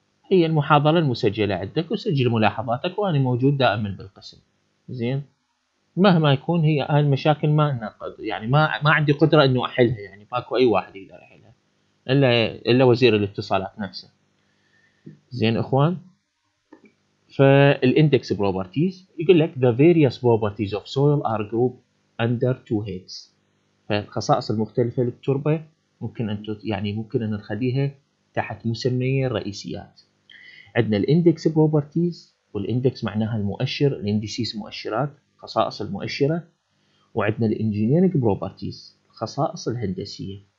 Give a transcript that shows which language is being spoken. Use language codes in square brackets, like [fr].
[ar] هي المحاضرة المسجلة عندك، وسجل ملاحظاتك، وانا موجود دائما بالقسم. زين، مهما يكون هي المشاكل ما نقد يعني ما عندي قدرة انه احلها، يعني ماكو اي واحد يقدر يحلها الا وزير الاتصالات نفسه. زين اخوان، فالاندكس بروبرتيز يقول لك [en] the various properties of soil are grouped under two heads. [ar] فالخصائص المختلفة للتربة ممكن ان يعني ممكن ان نخليها تحت مسميين رئيسيات. عندنا الاندكس بروبرتيز، والاندكس معناها المؤشر، الانديسيس مؤشرات، خصائص المؤشرة. وعندنا الانجينيرنج بروبرتيز، الخصائص الهندسية.